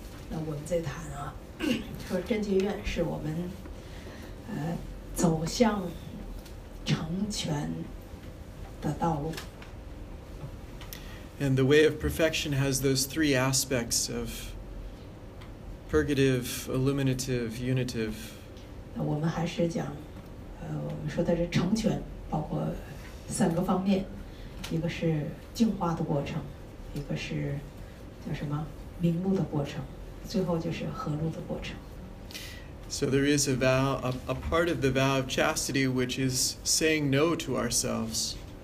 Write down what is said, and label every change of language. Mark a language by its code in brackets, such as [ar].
[zh] 那我们再谈啊，说贞洁愿是我们走向成全的道路。 [en] And the way of perfection has those three aspects of purgative, illuminative, unitive. [zh] 那我们还是讲，我们说的是成全，包括三个方面，一个是净化的过程，一个是叫什么明路的过程，最后就是合路的过程。 [en] So there is a vow, a part of the vow of chastity, which is saying no to ourselves.